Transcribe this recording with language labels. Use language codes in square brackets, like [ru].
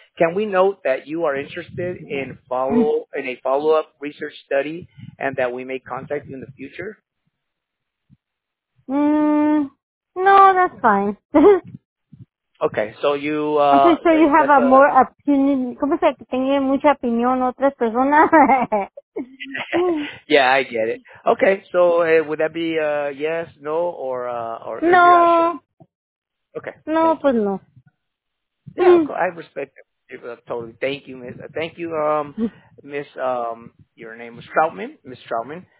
[en] Can we note that you are interested in a follow-up research study and that we may contact you in the future? No, that's fine. Okay, so you okay, so you have a more opinion. [es] ¿Cómo se dice? Tengo mucha opinión otras personas. [en] Yeah, I get it. Okay, so would that be yes, no, or no? Okay. [es] No, pues no. [en] Yeah, I respect it totally. Thank you, Miss. Thank you, Miss. Your name was Troutman, Miss Troutman.